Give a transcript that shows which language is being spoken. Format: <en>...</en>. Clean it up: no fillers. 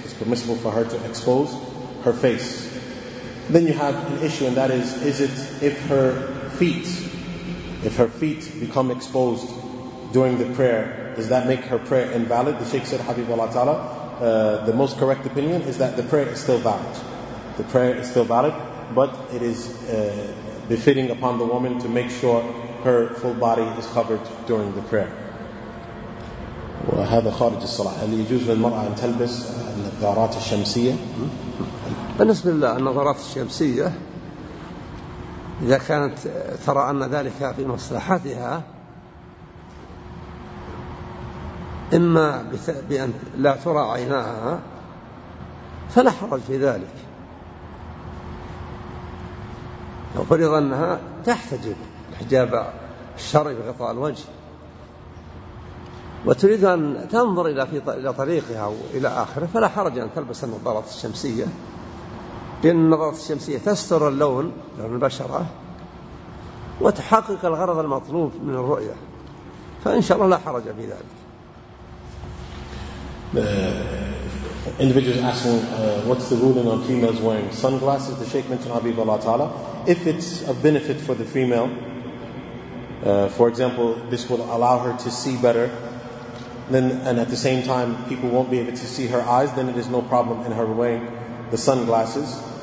<en>It's permissible for her to expose her face. Then you have an issue, and that is it if her feet become exposed during the prayer, does that make her prayer invalid? The Sheikh said, Habibullah Ta'ala, the most correct opinion is that the prayer is still valid. The prayer is still valid, but it is befitting upon the woman to make sure her full body is covered during the prayer.</en> <ar>وهذا خارج الصلاة هل يجوز للمرأة أن تلبس النظارات الشمسية؟ بالنسبة للنظارات الشمسية إذا كانت ترى أن ذلك في مصلحتها إما بأن لا ترى عيناها فلا حرج في ذلك لو فرض أنها تحتجب الحجاب الشرعي بغطاء الوجه وتريد أن تنظر إلى طريقها أو إلى آخره فلا حرج أن تلبس النظارات الشمسية لأن النظارات الشمسية تستر اللون لون البشرة وتحقق الغرض المطلوب من الرؤية فإن شاء الله لا حرج في ذلك.</ar> <en>The individual is asking what's the ruling on females wearing sunglasses. The Sheikh mentioned Habib Allah Ta'ala, if it's a benefit for the female, for example, this will allow her to see better, then, and at the same time people won't be able to see her eyes, then it is no problem in her wearing the sunglasses.</en>